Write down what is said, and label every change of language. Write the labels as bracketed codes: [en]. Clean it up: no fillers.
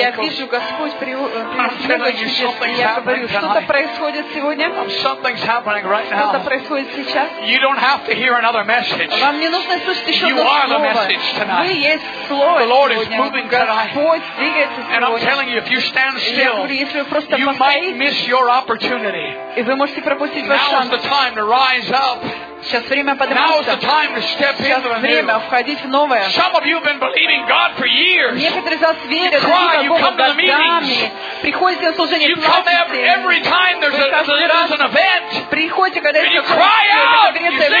[ru] Я вижу Господь приносит столько чудес. Я говорю, что-то происходит сегодня. [en] Something's happening right now. [ru] Что-то происходит сейчас. [en] You don't have to hear another message. [ru] Вам не нужно слышать еще одно слово. [en] You are the message tonight. [ru] Вы есть слово. [en] The Lord is moving tonight. [ru] Господь двигается сегодня. [en] And I'm telling you, if you stand still, you might miss your opportunity. [ru] И вы можете пропустить ваш шанс. [en] Now is the time to rise up. [ru] Сейчас время подниматься. Сейчас время входить в новое. Некоторые из вас верят в Бога годами. Приходите на служение. Приходите, когда есть какое-то конференция.